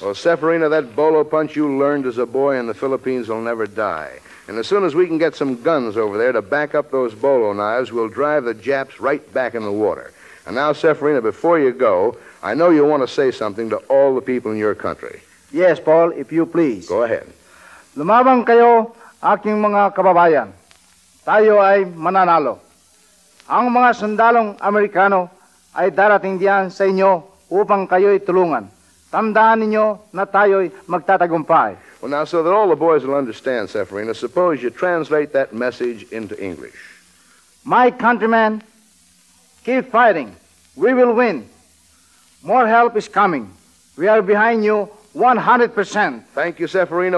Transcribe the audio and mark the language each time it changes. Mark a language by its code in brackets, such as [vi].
[en] Well, Seferina, that bolo punch you learned as a boy in the Philippines will never die. And as soon as we can get some guns over there to back up those bolo knives, we'll drive the Japs right back in the water. And now, Seferina, before you go, I know you want to say something to all the people in your country. Yes, Paul, if you please. Go ahead. [tl] Lumabang kayo, aking mga kababayan. Tayo ay mananalo. Ang mga sundalong Amerikano ay darating diyan sa inyo upang kayo'y tulungan. Tandaan ninyo na tayo'y magtatagumpay. [en] Well, now, so that all the boys will understand, Seferina, suppose you translate that message into English. My countrymen, keep fighting. We will win. More help is coming. We are behind you 100%. Thank you, Seferina.